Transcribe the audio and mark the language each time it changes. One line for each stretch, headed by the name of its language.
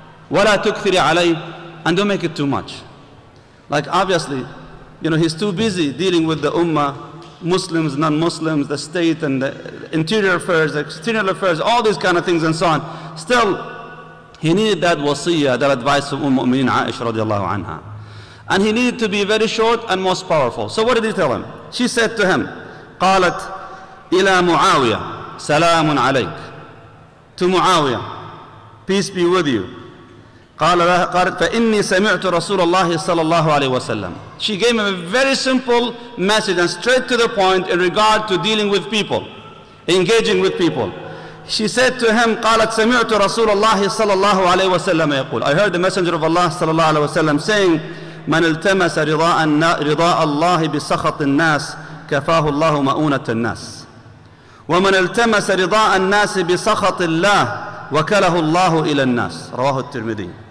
Arabic: Wala tukthiri alayhi,
English: and don't make it too much. Like obviously, you know, he's too busy dealing with the ummah, Muslims, non-Muslims, the state and the interior affairs, external affairs, all these kind of things and so on. Still, he needed that wasiyah, that advice from Umm al-Mu'mineen Aisha radiallahu anha. And he needed to be very short and most powerful. So what did he tell him? She said to him,
Arabic: قالت إلى معاوية سلام عليك.
English: To Muawiyah, peace be with you.
Arabic: قالت فإني سمعت رسول الله صلى الله عليه وسلم.
English: She gave him a very simple message and straight to the point in regard to dealing with people, engaging with people. She said to him,
Arabic: قالت سمعت رسول الله صلى الله عليه وسلم يقول.
English: I heard the messenger of Allah
Arabic: صلى الله عليه وسلم saying, من التمس رضاء الله بسخط الناس كفاه الله مؤونة الناس ومن التمس رضاء الناس بسخط الله وكله الله إلى الناس رواه الترمذي.